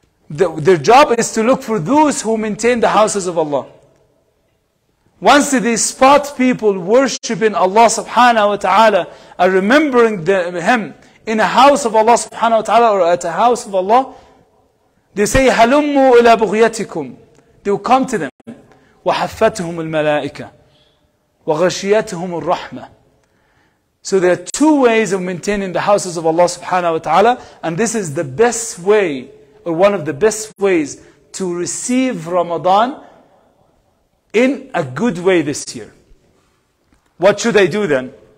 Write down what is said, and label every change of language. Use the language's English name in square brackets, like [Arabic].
[English] Their job is to look for those who maintain the houses of Allah. Once they spot people worshipping Allah subhanahu wa ta'ala and remembering Him in a house of Allah subhanahu wa ta'ala or at a house of Allah, they say, [Arabic] halummu ila bughyatikum. [English] They will come to them. [Arabic] وحفتهم الملائكة وغشيتهم الرحمة. [English] So there are two ways of maintaining the houses of Allah subhanahu wa ta'ala, and this is the best way, or one of the best ways to receive Ramadan in a good way this year. What should I do then?